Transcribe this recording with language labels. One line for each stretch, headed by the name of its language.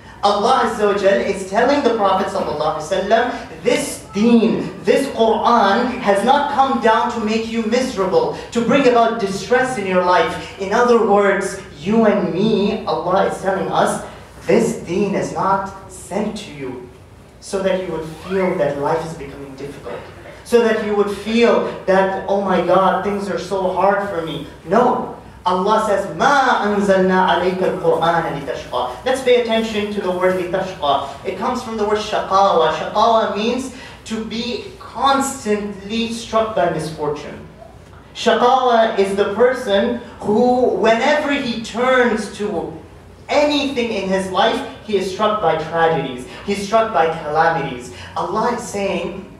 English: Allah Azza wa Jal is telling the Prophet sallallahu alaihi wasallam, this deen, this Quran has not come down to make you miserable, to bring about distress in your life. In other words, you and me, Allah is telling us, this deen is not sent to you so that you would feel that life is becoming difficult. So that you would feel that, oh my God, things are so hard for me. No. Allah says,
Arabic: مَا أَنزَلْنَا عَلَيْكَ الْقُرْآنَ لِتَشْقَى.
English: Let's pay attention to the word لِتَشْقَى. It comes from the word شَقَاوَى. شَقَاوَى means to be constantly struck by misfortune. شَقَاوَى is the person who, whenever he turns to anything in his life, he is struck by tragedies. He's struck by calamities. Allah is saying,